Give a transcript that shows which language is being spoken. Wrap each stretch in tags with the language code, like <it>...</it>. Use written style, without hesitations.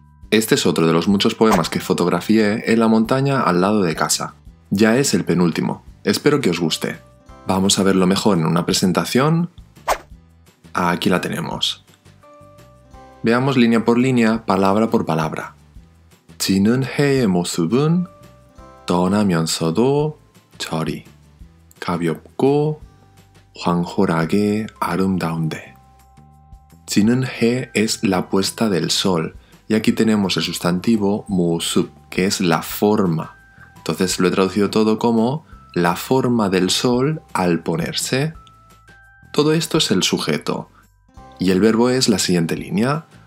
<es>Este es otro de los muchos poemas que fotografié en la montaña al lado de casa. Ya es el penúltimo. Espero que os guste. Vamos a verlo mejor en una presentación. Aquí la tenemos. Veamos línea por línea, palabra por palabra.</es> <ko>지는 해의 모습은 떠나면서도 저리 가볍고 황홀하게 아름다운데. 지는 해</ko> <es>es la puesta del sol. Y aquí tenemos el sustantivo 모습, que es la forma. Entonces lo he traducido todo como la forma del sol al ponerse. Todo esto es el sujeto. Y el verbo es la siguiente línea.</es>